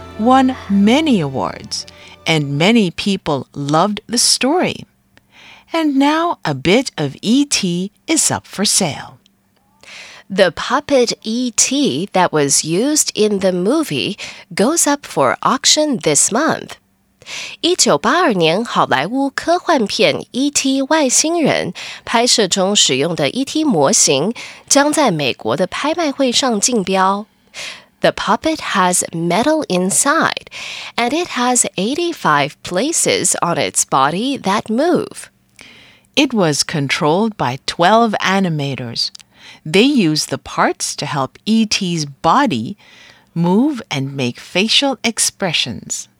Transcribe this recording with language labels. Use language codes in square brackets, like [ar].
[en] Won many awards, and many people loved the story. And now a bit of E.T. is up for sale. The puppet E.T. that was used in the movie goes up for auction this month. [zh] 1982年好莱坞科幻片 E.T. 外星人拍摄中使用的 E.T. 模型将在美国的拍卖会上竞标。 [en] The puppet has metal inside, and it has 85 places on its body that move. It was controlled by 12 animators. They use the parts to help E.T.'s body move and make facial expressions.